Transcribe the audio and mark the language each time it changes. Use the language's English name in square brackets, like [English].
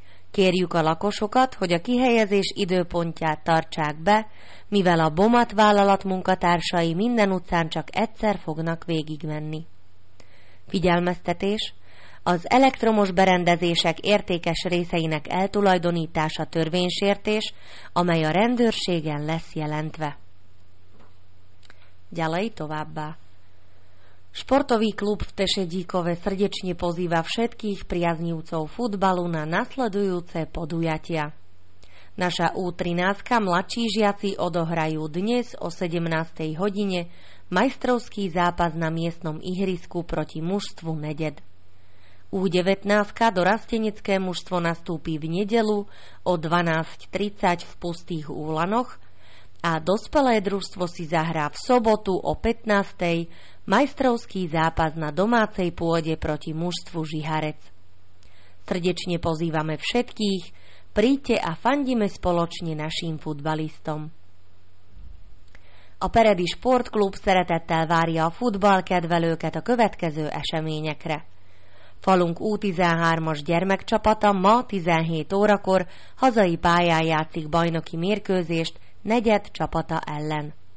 [Hungarian] Kérjük a lakosokat, hogy a kihelyezés időpontját tartsák be, mivel a BOMAT vállalat munkatársai minden utcán csak egyszer fognak végigmenni. Figyelmeztetés: az elektromos berendezések értékes részeinek eltulajdonítása törvénysértés, amely a rendőrségen lesz jelentve. [Slovak] Ďalej [Hungarian] továbbá. [Slovak] Športový klub v Tešedíkove srdečne pozýva všetkých priaznivcov futbalu na nasledujúce podujatia. Naša U13-ka mladší žiaci odohrajú dnes o 17. hodine majstrovský zápas na miestnom ihrisku proti mužstvu Neded. U19-ka dorastenecké mužstvo nastúpi v nedeľu o 12.30 v Pustých Úlanoch a dospelé družstvo si zahrá v sobotu o 15.00 majstrovský zápas na domácej pôde proti mužstvu Žiharec. Srdečne pozývame všetkých, príďte a fandime spoločne našim futbalistom. [Hungarian] A Peredi Sportklub szeretettel várja a futballkedvelőket a következő eseményekre. Falunk U13-as gyermekcsapata ma 17 órakor hazai pályán játszik bajnoki mérkőzést Negyed csapata ellen.